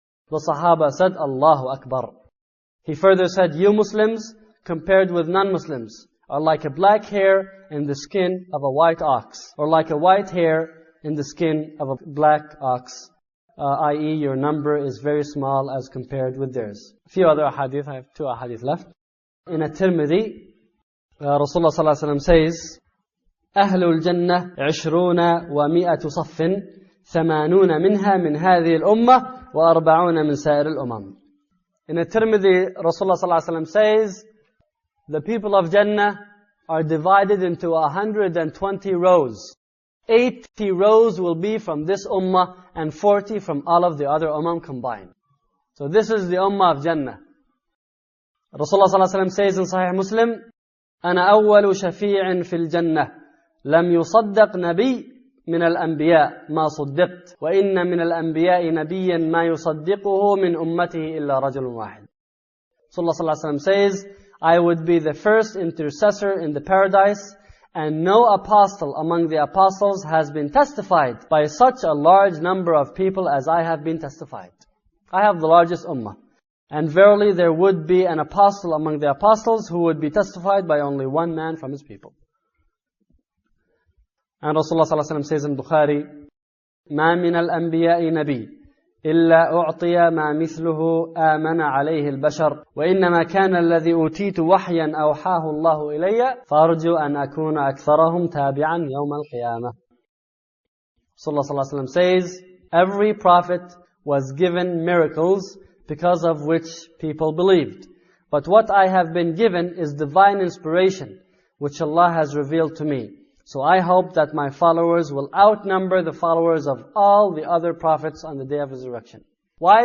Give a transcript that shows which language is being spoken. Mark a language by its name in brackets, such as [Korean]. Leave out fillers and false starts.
[English] The Sahaba said, Allahu Akbar. He further said, you Muslims, compared with non-Muslims, are like a black hair in the skin of a white ox, or like a white hair in the skin of a black ox, i.e. your number is very small as compared with theirs. A few other ahadith, I have two ahadith left. In At-Tirmidhi, Rasulullah sallallahu alayhi wa sallam says, [Arabic] أهل الجنة 20 و100 صف 80 منها من هذه الأمة و40 من سائر الأمم. [English] In At-Tirmidhi, Rasulullah صلى الله عليه وسلم says, the people of Jannah are divided into 120 rows. 80 rows will be from this Ummah and 40 from all of the other Ummah combined. So this is the ummah of Jannah. Rasulullah sallallahu alayhi wa sallam says in Sahih Muslim, [Arabic] أنا أول شفيع في الجنة لم يصدق نبي من الأنبياء ما صدقت وإن من الأنبياء نبيا ما يصدقه من أمته إلا رجل واحد. [English] Rasulullah sallallahu alayhi wa sallam says, I would be the first intercessor in the paradise and no apostle among the apostles has been testified by such a large number of people as I have been testified. I have the largest ummah. And verily there would be an apostle among the apostles who would be testified by only one man from his people. And Rasulullah sallallahu alayhi wa sallam says in Bukhari, [Arabic] مَا مِنَ الْأَنْبِيَاءِ نَبِيِّ إِلَّا أُعْطِيَ مَا مِثْلُهُ آمَنَ عَلَيْهِ الْبَشَرُ وَإِنَّمَا كَانَ الَّذِي أُوتِيتُ وَحْيًا أَوْحَاهُ اللَّهُ إِلَيَّ فَأَرْجُوا أَنْ أَكُونَ أَكْثَرَهُمْ تَابِعًا يَوْمَ الْقِيَامَةِ. [English] Rasulullah sallallahu alayhi wa sallam says, every prophet was given miracles because of which people believed. But what I have been given is divine inspiration, which Allah has revealed to me. So I hope that my followers will outnumber the followers of all the other prophets on the day of resurrection. Why?